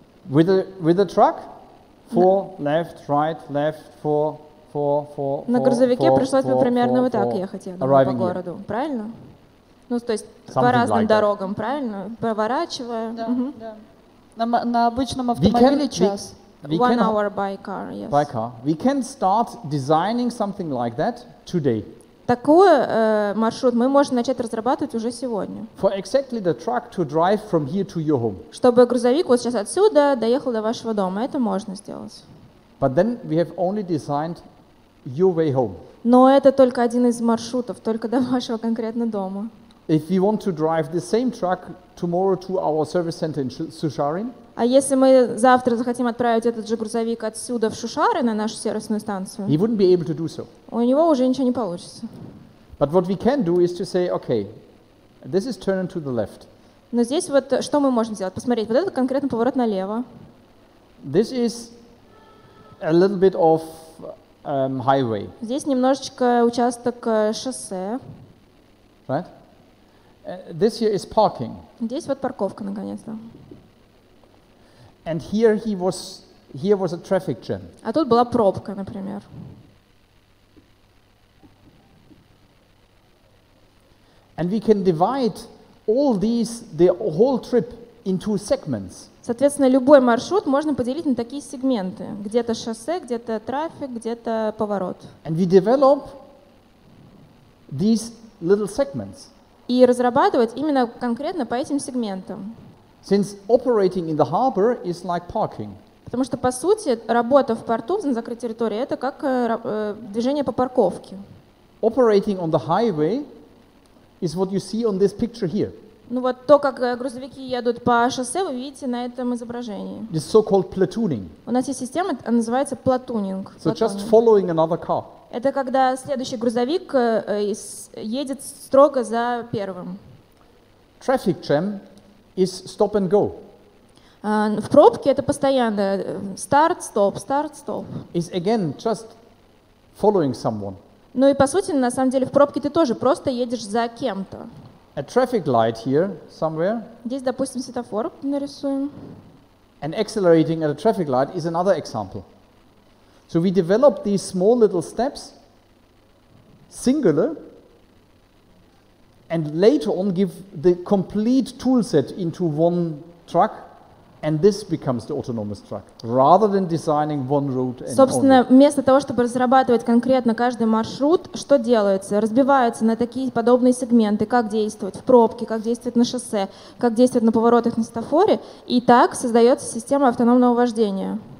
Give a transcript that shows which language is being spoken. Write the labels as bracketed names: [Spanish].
[English] With a truck? Four, left, right, left, four, [Russian] на грузовике пришлось бы примерно вот так ехать, я думаю, по городу, [English] here. [Russian] Правильно? Ну, то есть [English] something [Russian] по разным [English] like [Russian] дорогам, [English] that. [Russian] Правильно? Поворачивая. Да, да. На обычном автомобиле час. [English] One hour by car, yes. By car. We can start designing something like that today. [Russian] Такой маршрут мы можем начать разрабатывать уже сегодня. [English] For exactly the truck to drive from here to your home. [Russian] Чтобы грузовик вот сейчас отсюда доехал до вашего дома. Это можно сделать. [English] But then we have only designed your way home. [Russian] Но это только один из маршрутов, только до вашего конкретно дома. [English] If you want to drive the same truck tomorrow to our service center in Shusharin? [Russian] А если мы завтра захотим отправить этот же грузовик отсюда в Шушары на нашу сервисную станцию? [English] He wouldn't be able to do so. [Russian] У него уже ничего не получится. [English] But what we can do is to say, okay, this is turning to the left. [Russian] Но здесь вот что мы можем сделать? Посмотреть, вот этот конкретно поворот налево. [English] This is a little bit of highway. [Russian] Здесь немножечко участок шоссе. [English] Right? This here is parking. [Russian] Здесь вот парковка наконец-то. [English] And here was a traffic jam. [Russian] А тут была пробка, например. [English] And we can divide all these, the whole trip, into segments. [Russian] Соответственно, любой маршрут можно поделить на такие сегменты. Где-то шоссе, где-то трафик, где-то поворот. [English] And we develop these little segments. [Russian] И разрабатывать именно конкретно по этим сегментам. [English] Since operating in the harbor is like parking. [Russian] Потому что, по сути, работа в порту на закрытой территории — это как движение по парковке. [English] Operating on the highway is what you see on this picture here. [Russian] Ну вот то, как грузовики едут по шоссе, вы видите на этом изображении. [English] It's so-called platooning. [Russian] У нас есть система, она называется платунинг. [English] So just following another car. [Russian] Это когда следующий грузовик едет строго за первым. [English] Traffic jam is stop and go. [Russian] В пробке это постоянно старт, стоп, старт, стоп. [English] Is again just following someone. [Russian] Ну и по сути, на самом деле, в пробке ты тоже просто едешь за кем-то. [English] A traffic light here somewhere. [Russian] Здесь, допустим, светофор нарисуем. [English] And accelerating at a traffic light is another example. So we develop these small little steps, singular, and later on give the complete toolset into one truck, and this becomes the autonomous truck, rather than designing one route and [Russian] собственно, [English] only. [Russian] Вместо того, чтобы разрабатывать конкретно каждый маршрут, что делается? Разбиваются на такие подобные сегменты, как действовать в пробке, как действовать на шоссе, как действовать на поворотах на светофоре, и так создается система автономного вождения.